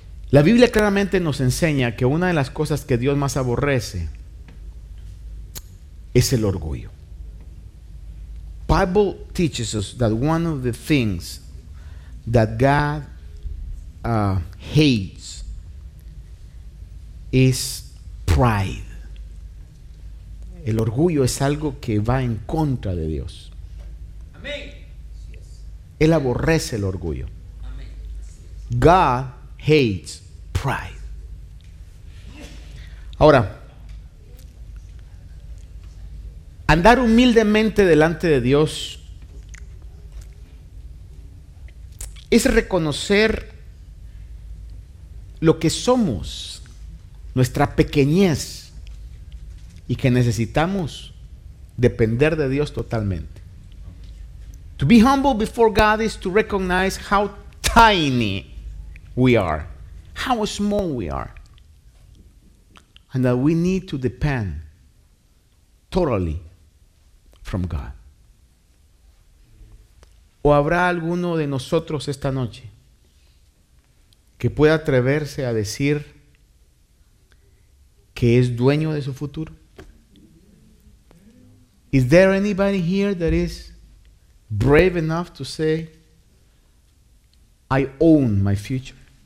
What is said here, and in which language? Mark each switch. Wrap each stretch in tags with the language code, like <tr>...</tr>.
<es>La Biblia claramente nos enseña que una de las cosas que Dios más aborrece es el orgullo.</es> <en>Bible teaches us that one of the things that God hates is pride.</en> <es>El orgullo es algo que va en contra de Dios. Amén. Él aborrece el orgullo.</es> <en>God hates pride.</en> <es>Ahora, andar humildemente delante de Dios es reconocer lo que somos, nuestra pequeñez, y que necesitamos depender de Dios totalmente.</es> <en>To be humble before God is to recognize how tiny we are, how small we are, and that we need to depend totally from God.</en> <es>¿O habrá alguno de nosotros esta noche que pueda atreverse a decir que es dueño de su futuro?</es> <en>Is there anybody here that is brave enough to say, I own my future?</en>